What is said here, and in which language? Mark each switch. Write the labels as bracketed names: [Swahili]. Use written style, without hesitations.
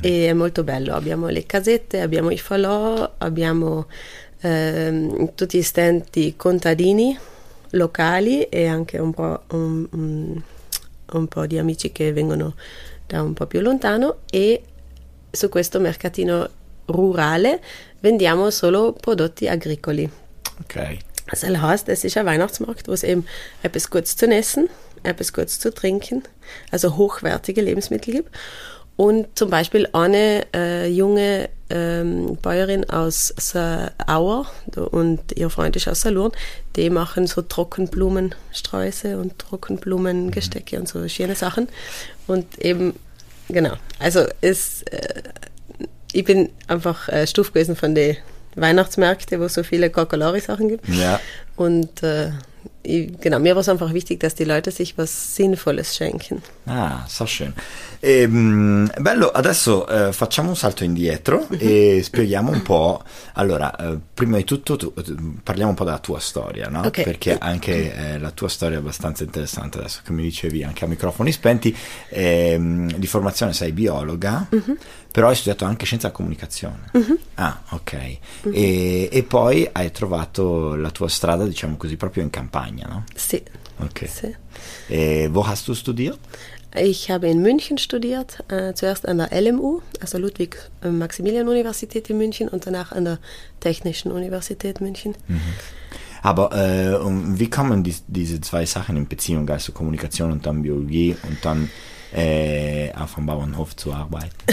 [Italian] E è molto bello, abbiamo le casette, abbiamo i falò, abbiamo tutti gli stand contadini locali e anche un po' di amici che vengono da un po' più lontano, e su questo mercatino rurale vendiamo solo prodotti agricoli. Ok. [German] Das heißt, es ist ein Weihnachtsmarkt, wo es eben etwas Gutes zu essen, etwas Gutes zu trinken, also hochwertige Lebensmittel gibt. Und zum Beispiel eine junge Bäuerin aus Auer und ihr Freund ist aus Salurn, die machen so Trockenblumensträuße und Trockenblumengestecke und so schöne Sachen. Und eben, genau, also es, ich bin einfach stuf gewesen von den Weihnachtsmärkten, wo es so viele Coccolari-Sachen gibt. Ja. Und genau, mir war es einfach wichtig, dass die Leute sich was Sinnvolles schenken. Ah, so schön. [Italian] E, bello, adesso facciamo un salto indietro e spieghiamo un po'. Allora, prima di tutto parliamo un po' della tua storia, no? Okay. Perché anche la tua storia è abbastanza interessante. Adesso, come dicevi anche a microfoni spenti, di formazione sei biologa, però hai studiato anche scienza della comunicazione. Ah, ok. E poi hai trovato la tua strada, diciamo così, proprio in campagna, no? Sì. Ok. Sì. [German] E wo hast du studiert? Ich habe in München studiert, zuerst an der LMU, also Ludwig-Maximilian-Universität in München, und danach an der Technischen Universität München. Mhm. Aber wie kommen diese zwei Sachen in Beziehung, also Kommunikation und dann Biologie und dann auf dem Bauernhof zu arbeiten?